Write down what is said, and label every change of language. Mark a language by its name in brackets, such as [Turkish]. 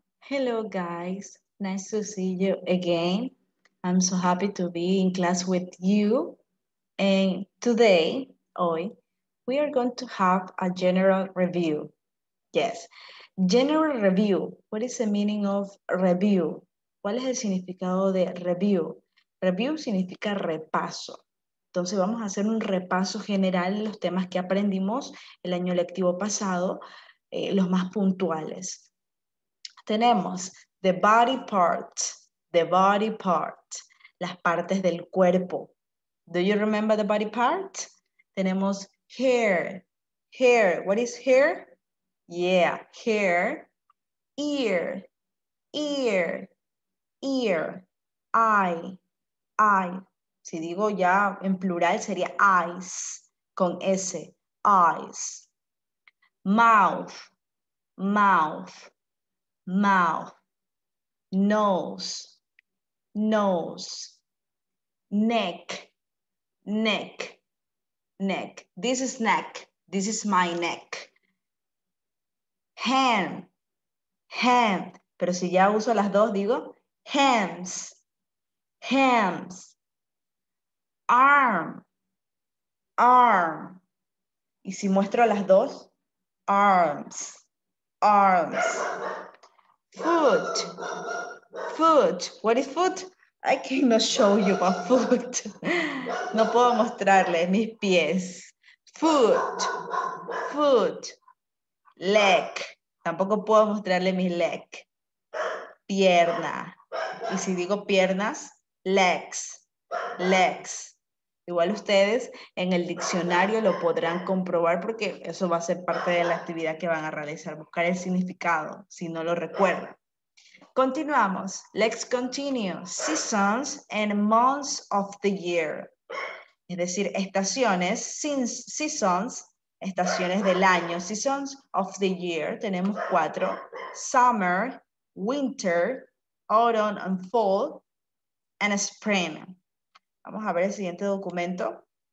[English] Hello guys, nice to see you again. I'm so happy to be in class with you. And today, [Spanish] hoy, [English] we are going to have a general review. Yes, general review. What is the meaning of review? [Spanish] ¿Cuál es el significado de review? Review significa repaso. Entonces vamos a hacer un repaso general de los temas que aprendimos el año lectivo pasado, los más puntuales. Tenemos [English] the body part, the body part, [Spanish] las partes del cuerpo. [English] Do you remember the body part? [Spanish] Tenemos [English] hair, hair, what is hair? Yeah, hair, ear, ear, ear, eye, eye. [Spanish] Si digo ya en plural sería eyes, con S, eyes. [English] Mouth, mouth. Mouth, nose, nose, neck, neck, neck. This is neck. This is my neck. Hand, hand. [Spanish] Pero si ya uso las dos, digo hands, hands. Arm, arm. Y si muestro las dos, arms, arms. [English] Foot, foot. What is foot? I cannot show you my foot. [Spanish] No puedo mostrarle mis pies. Foot, foot. Leg. Tampoco puedo mostrarle mis leg. Pierna. Y si digo piernas, legs, legs. Igual ustedes en el diccionario lo podrán comprobar porque eso va a ser parte de la actividad que van a realizar, buscar el significado, si no lo recuerdan. Continuamos. [English] Let's continue. Seasons and months of the year. [Spanish] Es decir, estaciones, seasons, estaciones del año. [English] Seasons of the year. [Spanish] Tenemos cuatro. [English] Summer, winter, autumn and fall, and spring. [Spanish] Vamos a ver el siguiente documento.